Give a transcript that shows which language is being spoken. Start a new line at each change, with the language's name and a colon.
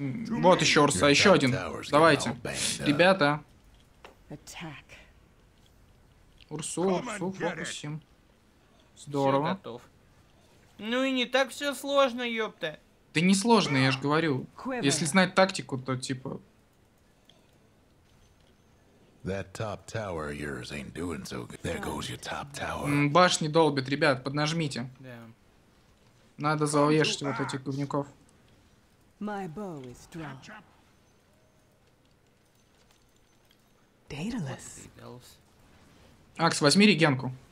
Russian: Вот еще Урса, еще один. Давайте. Ребята. Урсу, Урсу, фокусим. Здорово. Все, готов. Ну и не так все сложно, ёпта. Да не сложно, я же говорю. Если знать тактику, то типа...
English: That top tower yours ain't doing so good. There goes your top tower.
Russian: Башни долбит, ребят, поднажмите.
English: Yeah.
Russian: Надо завешать вот этих говняков.
English: My bow is drawn. Daedalus.
Russian: Акс, возьми регенку.